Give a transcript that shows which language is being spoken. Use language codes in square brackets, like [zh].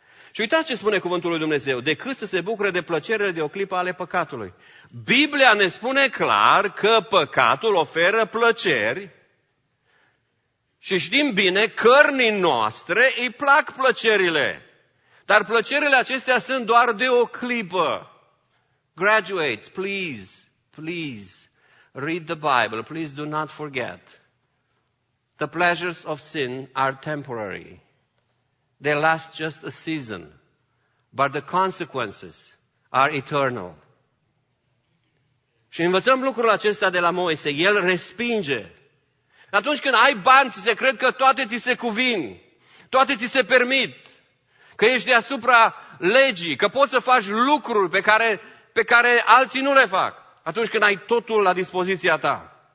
[ro] Și uitați ce spune cuvântul lui Dumnezeu, decât să se bucure de plăcerile de o clipă ale păcatului. Biblia ne spune clar că păcatul oferă plăceri și știm bine, cărnii noastre îi plac plăcerile. Dar plăcerile acestea sunt doar de o clipă. [en] Graduates, please, please, read the Bible, please do not forget. The pleasures of sin are temporary. They last just a season, but the consequences are eternal. [ro] Și învățăm lucrul acesta de la Moise, el respinge. Atunci când ai bani, ți se cred că toate ți se cuvin, toate ți se permit, că ești deasupra legii, că poți să faci lucruri pe care alții nu le fac, atunci când ai totul la dispoziția ta.